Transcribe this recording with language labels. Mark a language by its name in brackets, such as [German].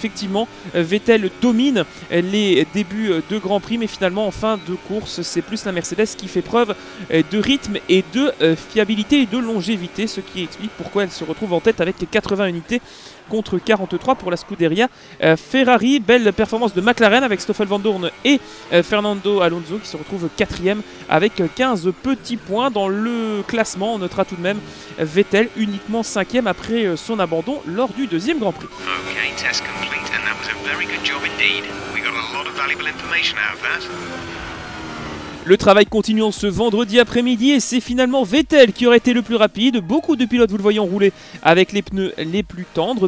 [French] Effectivement, Vettel domine les débuts de Grand Prix, mais finalement en fin de course c'est plus la Mercedes qui fait preuve de rythme et de fiabilité et de longévité, ce qui explique pourquoi elle se retrouve en tête avec 80 unités contre 43 pour la Scuderia Ferrari. Belle performance de McLaren avec Stoffel Vandoorne et Fernando Alonso qui se retrouve 4e avec 15 petits points dans le classement. On notera tout de même Vettel uniquement 5e après son abandon lors du deuxième Grand Prix. [English] Ok, test complete and that was a very good job indeed. We got a lot of valuable information out of that. [French] Le travail continue en ce vendredi après-midi et c'est finalement Vettel qui aurait été le plus rapide. Beaucoup de pilotes, vous le voyez, ont roulé avec les pneus les plus tendres.